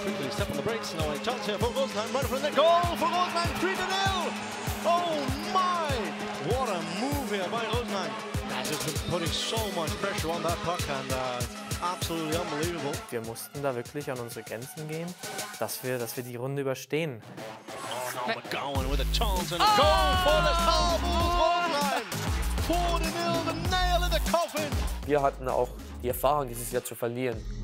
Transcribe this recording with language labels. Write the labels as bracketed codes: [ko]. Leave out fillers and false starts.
[en] Step on the brakes, now a chance here for Rosenheim, right in front of the goal for Rosenheim, 3-0! Oh my! What a move here by Rosenheim! That has been putting so much pressure on that puck and absolutely unbelievable. [de] Wir mussten da wirklich an unsere Grenzen gehen, dass wir die Runde überstehen. [en] Oh, now McGowan with a chance and a goal for the Star Bulls, Rosenheim! 4-0, the nail in the coffin! [de] Wir hatten auch die Erfahrung, dieses Jahr zu verlieren.